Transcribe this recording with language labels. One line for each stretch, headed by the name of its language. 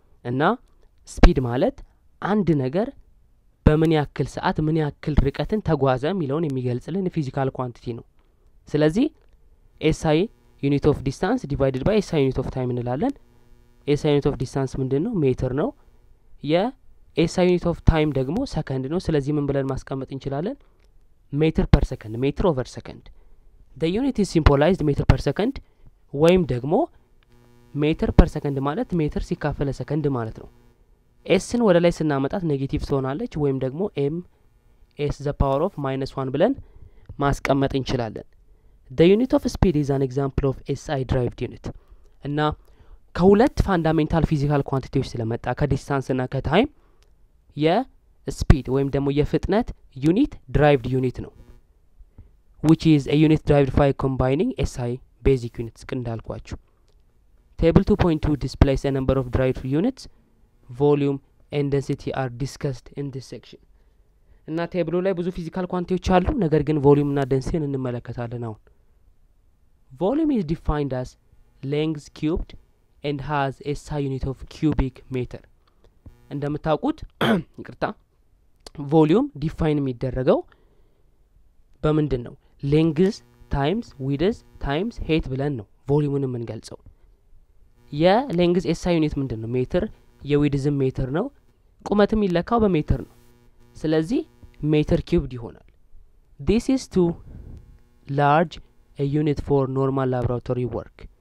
Amharic: እና speed ማለት አንድ ነገር በምን ያክል ሰዓት ምን ያክል ርቀትን ተጓዘ የሚለውን የሚገልጽልን physical quantity ነው ስለዚህ
English: SI unit of distance divided by SI unit of time
Amharic: እንላለን SI unit of distance ምንድነው ሜትር ነው የSI unit of time ደግሞ ሰከንድ ነው ስለዚህ ምን ብለን ማስቀመጥ እንችላለን ሜትር per second
English: meter over second the unit is symbolized meter per second
Amharic: ወይም ደግሞ ሜትር per second ማለት ሜትር ሲካፈለ ሰከንድ ማለት ነው Sን ወደ ላይ ስናመጣት ኔጌቲቭ ትሆናለች ወይም ደግሞ m s the power of minus 1 ብለን ማስቀመጥ እንችላለን
English: The unit of speed is an example of SI derived unit.
Amharic: እና ከሁለት fundamental physical quantities ስለመጣ ከdistance እና ከtime የspeed ወይም ደግሞ የፍጥነት unit derived unit ነው.
English: which is a unit derived by combining SI basic units
Amharic: እንዳልኳችሁ.
English: Table 2.2 displays a number of derived units. volume and density are discussed in this section.
Amharic: እና ቴብሉ ላይ ብዙ physical quantities አሉ ነገር ግን volume እና density እንመለከታለን አሁን.
English: Volume is defined as length cubed and has a SI unit of cubic meter.
Amharic: እንደምታውቁት ይቅርታ volume define የሚደረገው በምንድን ነው?
English: length times width times height
Amharic: ብለን ነው volume የምንገልጸው። ያ length SI unit ምንድነው? ሜትር። ያ width ሜትር ነው። ቁመትም ይለካው በሜትር ነው። ስለዚህ meter cubed ይሆናል።
English: This is too large a unit for normal laboratory work.